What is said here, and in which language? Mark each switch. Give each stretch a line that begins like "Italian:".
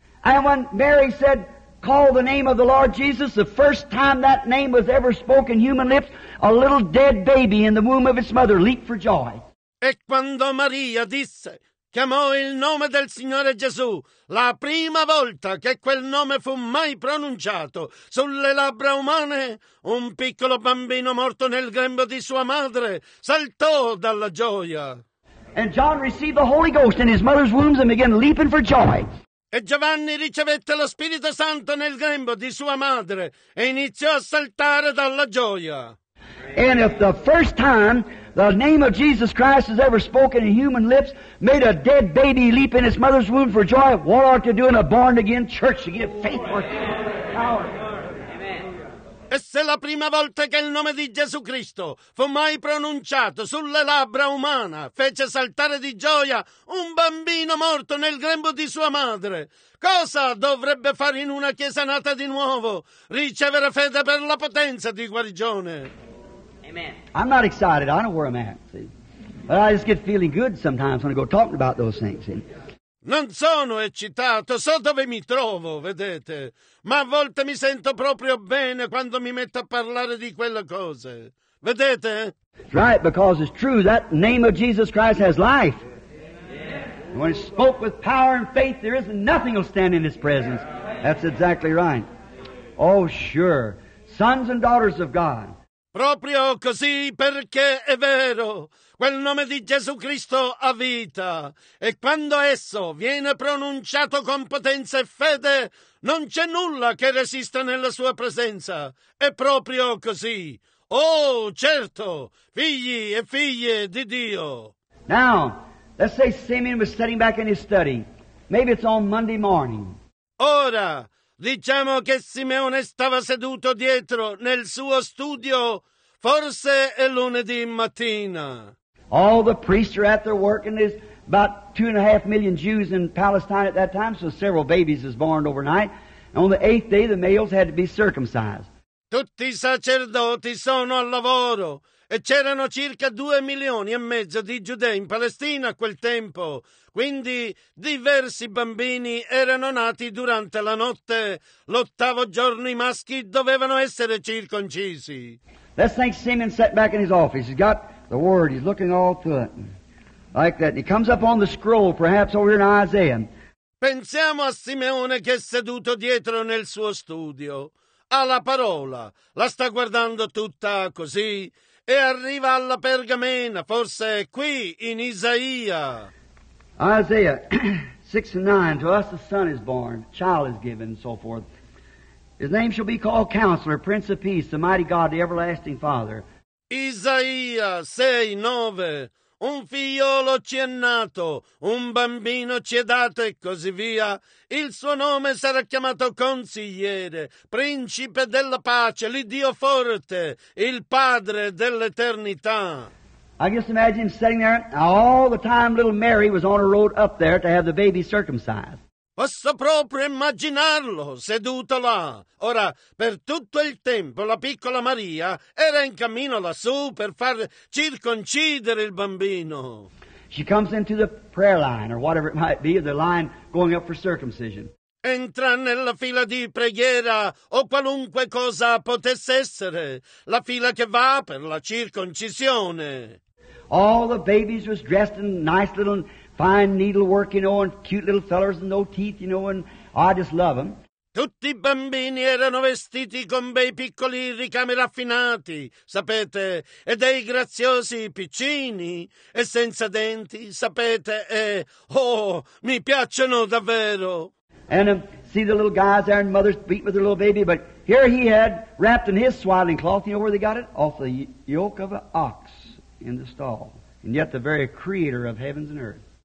English: And when Mary said, call the name of the Lord Jesus, the first time that name was ever spoken human lips, a little dead baby in the womb of its mother leaped for joy.
Italian: E quando Maria disse, chiamò il nome del Signore Gesù, la prima volta che quel nome fu mai pronunciato sulle labbra umane, un piccolo bambino morto nel grembo di sua madre saltò dalla gioia.
English: And John received the Holy Ghost in his mother's womb and began leaping for joy.
Italian: E Giovanni ricevette lo Spirito Santo nel grembo di sua madre e iniziò a saltare dalla gioia.
English: And if the first time the name of Jesus Christ is ever spoken in human lips made a dead baby leap in its mother's womb for joy, what ought to do in a born-again church to give faith for power?
Italian: E se la prima volta che il nome di Gesù Cristo fu mai pronunciato sulle labbra umane fece saltare di gioia un bambino morto nel grembo di sua madre, cosa dovrebbe fare in una chiesa nata di nuovo? Ricevere fede per la potenza di guarigione. Amen.
English: I'm not excited. I don't know where I'm at, see. But I just get feeling good sometimes when I go talking about those things, see.
Italian: Non sono eccitato, so dove mi trovo, vedete. Ma a volte mi sento proprio bene quando mi metto a parlare di quelle cose. Vedete?
English: Right, because it's true, that name of Jesus Christ has life. Yeah. When it's spoke with power and faith, there isn't nothing will stand in His presence. That's exactly right. Oh, sure. Sons and daughters of God.
Italian: Proprio così, perché è vero. Quel nome di Gesù Cristo ha vita, e quando esso viene pronunciato con potenza e fede, non c'è nulla che resista nella sua presenza. È proprio così. Oh, certo, figli e figlie di Dio.
English: Now, let's say Simeon was sitting back in his study. Maybe it's on Monday morning.
Italian: Ora, diciamo che Simeone stava seduto dietro nel suo studio. Forse è lunedì mattina.
English: All the priests are at their work, and there's about 2.5 million Jews in Palestine at that time, so several babies is born overnight. And on the 8th day, the males had to be circumcised.
Italian: Tutti i sacerdoti sono al lavoro, e c'erano circa 2,5 milioni di giudei in Palestina a quel tempo. Quindi diversi bambini erano nati durante la notte. L'ottavo giorno i maschi dovevano essere circoncisi.
English: Let's think Simeon sat back in his office. He's got the word. He's looking all through it. Like that. He comes up on the scroll, perhaps over here in Isaiah.
Italian: Pensiamo a Simeone che è seduto dietro nel suo studio. Ha la parola, la sta guardando tutta così, e arriva alla pergamena, forse è qui in Isaia.
English: Isaiah 6:9, to us the son is born, child is given, and so forth. His name shall be called Counselor, Prince of Peace, the Mighty God, the Everlasting Father.
Italian: Isaia 6:9, un figliolo ci è nato, un bambino ci è dato e così via. Il suo nome sarà chiamato Consigliere, Principe della Pace, l'Iddio Forte, il Padre dell'Eternità.
English: I just imagine him sitting there, all the time little Mary was on a road up there to have the baby circumcised.
Italian: Posso proprio immaginarlo seduto là. Ora, per tutto il tempo, la piccola Maria era in cammino lassù per far circoncidere il bambino.
English: She comes into the prayer line, or whatever it might be, the line going up for circumcision.
Italian: Entra nella fila di preghiera, o qualunque cosa potesse essere, la fila che va per la circoncisione.
English: All the babies was dressed in nice little fine needlework, you know, and cute little fellers with no teeth, you know, and I just love them.
Italian: Tutti i bambini erano vestiti con bei piccoli ricami raffinati, sapete, e dei graziosi piccini, e senza denti, sapete, e, oh, mi piacciono davvero.
English: And see the little guys there and mothers beat with their little baby, but here he had wrapped in his swaddling cloth, you know where they got it? Off the yoke of an ox in the stall, and yet the very creator of heavens and earth.